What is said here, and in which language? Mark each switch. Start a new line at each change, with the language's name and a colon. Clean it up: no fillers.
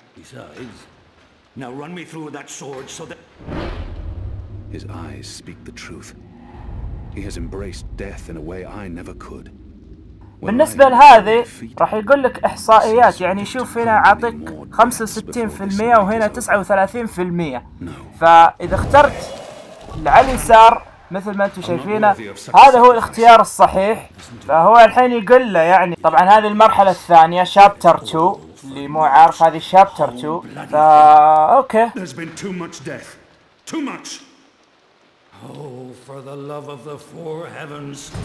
English: Besides, now run me through that sword so that... His eyes speak the truth. He has embraced death in a way I never could.
Arabic: بالنسبة لهذه راح يقول لك إحصائيات، يعني شوف هنا عطيك 65% وهنا 39%. فإذا اخترت على اليسار مثل ما انتم شايفينه هذا هو الاختيار الصحيح، فهو الحين يقول له يعني. طبعا هذه المرحلة الثانية شابتر 2 اللي مو عارف، هذه شابتر 2.
English: فا okay there's been too much death too much. Oh for the love of the four heavens.